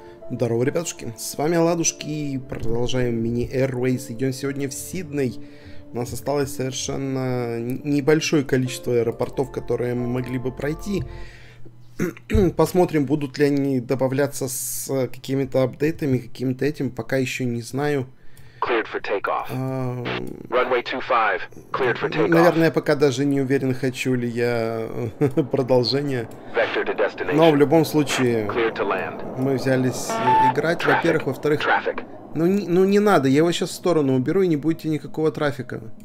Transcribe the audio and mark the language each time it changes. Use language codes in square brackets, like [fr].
[ru] Здорово, ребятушки, с вами Ладушки, продолжаем мини-Airways, идем сегодня в Сидней. У нас осталось совершенно небольшое количество аэропортов, которые мы могли бы пройти. Посмотрим, будут ли они добавляться с какими-то апдейтами, каким-то этим, пока еще не знаю. [en] Runway 25, cleared for takeoff. [ru] Наверное, я пока даже не уверен, хочу ли я продолжение. Но в любом случае, мы взялись играть, traffic. Во-первых. Во-вторых, traffic. Не надо, я его сейчас в сторону уберу, и не будете никакого трафика.